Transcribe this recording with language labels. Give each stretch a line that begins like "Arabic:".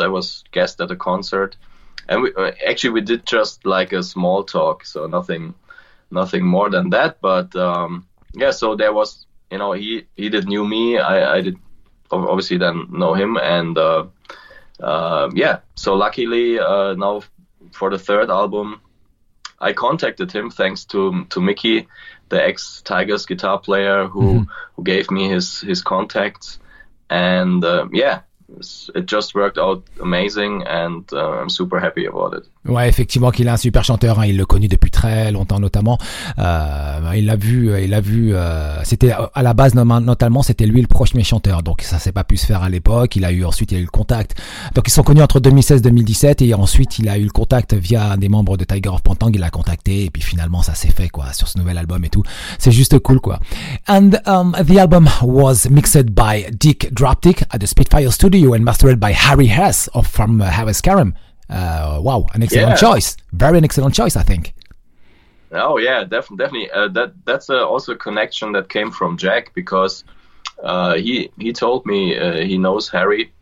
English: I was guest at a concert, and we did just like a small talk, so nothing more than that, but yeah, so there was, you know, he did knew me, I did obviously then know him, and yeah, so luckily now for the third album I contacted him thanks to Mickey, the ex Tigers guitar player, who gave me his contacts, and yeah, it just worked out amazing, and I'm super happy about it.
French: Ouais, effectivement, qu'il est un super chanteur. Hein. Il le connaît depuis très longtemps, notamment. Il l'a vu. C'était à la base, notamment, c'était lui le premier chanteur. Donc, ça s'est pas pu se faire à l'époque. Ensuite, il a eu le contact. Donc, ils sont connus entre 2016-2017, et ensuite, il a eu le contact via des membres de Tiger of Pantang. Il l'a contacté, et puis finalement, ça s'est fait, quoi, sur ce nouvel album et tout. C'est juste cool, quoi.
English: And the album was mixed by Dick Drapetic at the Spitfire Studio and mastered by Harry Hess from Harris Karim. Wow, an excellent choice. Very an excellent choice, I think. Oh yeah, definitely. That's also a connection that came from Jack, because he told me he knows Harry.